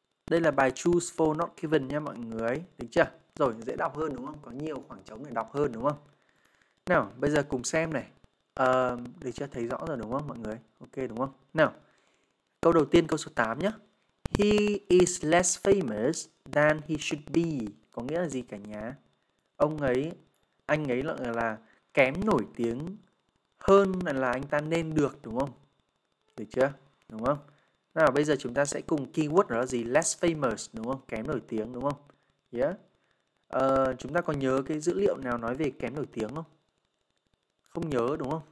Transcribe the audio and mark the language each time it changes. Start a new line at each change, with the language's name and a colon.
Vietnamese: Đây là bài
English: choose for not given
Vietnamese: nhé mọi người. Được chưa? Rồi, dễ đọc hơn đúng không? Có nhiều khoảng trống để đọc hơn đúng không? Nào, bây giờ cùng xem này. Được chưa? Thấy rõ rồi đúng không mọi người? Ok đúng không? Nào, câu đầu tiên câu số 8 nhé.
English: He is less famous than he should be.
Vietnamese: Có nghĩa là gì cả nhà? Anh ấy là kém nổi tiếng hơn là anh ta nên được đúng không? Được chưa? Đúng không? Nào, bây giờ chúng ta sẽ cùng keyword đó là gì?
English: Less famous
Vietnamese: đúng không? Kém nổi tiếng đúng không? Yeah. Chúng ta có nhớ cái dữ liệu nào nói về kém nổi tiếng không? Không nhớ đúng không?